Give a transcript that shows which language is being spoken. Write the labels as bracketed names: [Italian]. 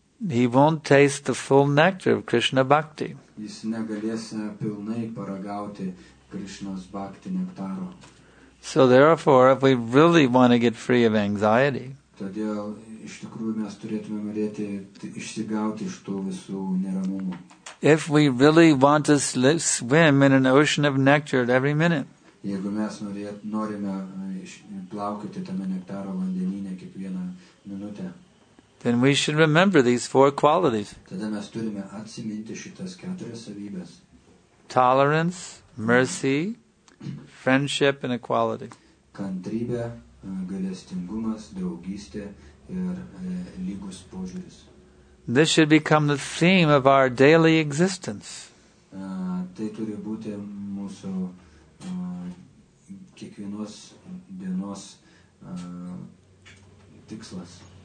[English] He won't taste the full nectar of Krishna bhakti. [Lithuanian] Jis negalės pilnai paragauti Krishnos bhakti nektaro. [English] So therefore, if we really want to get free of anxiety, [Lithuanian] todėl iš tikrųjų mes turėtume norėti išsigauti iš to visų neramumų. [English] If we really want to swim in an ocean of nectar at every minute, [Lithuanian] jeigu mes norime plaukyti tame nektaro vandenyne kiekvieną minutę, [English] then we should remember these four qualities. [Lithuanian] Tada mes turime atsiminti šitas keturias savybes. [English] Tolerance, mercy, friendship and equality. [Lithuanian] Kantrybė, galestingumas, draugystė ir lygus požiūris. [English] This should become the theme of our daily existence. [Lithuanian] Tai turi būti mūsų kiekvienos dienos tikslas.